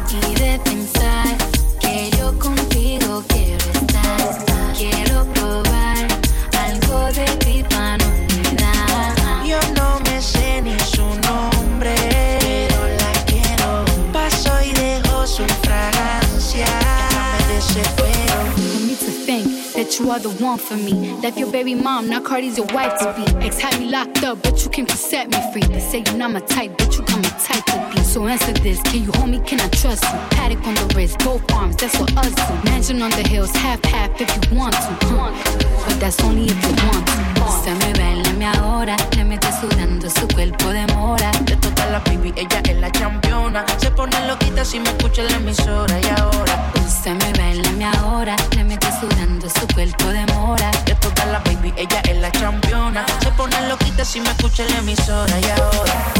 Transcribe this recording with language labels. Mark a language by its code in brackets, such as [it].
[es] y de pensar que yo contigo quiero estar, quiero probar algo de ti pa' no olvidar. Yo no me sé ni su nombre, pero la quiero. Paso y dejo su fragancia, me desespero. [en] You need to think that you are the one for me. Left your baby mom, now Cardi's your wife to be. Ex had me locked up, but you came to set me free. They say you're not my type, but you come a type to be. So answer this, can you hold me, can I trust you? Paddock on the wrist, both arms, that's what us do. Mansion on the hills, half-half if you want to. But that's only if you want to. [es] Se me bailame ahora, le mete sudando su cuerpo de mora. De toda la baby, ella es la championa. Se pone loquita si me escucha la emisora. Y ahora, se me bailame ahora, le mete sudando su cuerpo de mora. De toda la baby, ella es la championa. Se pone loquita si me escucha la emisora. Y ahora,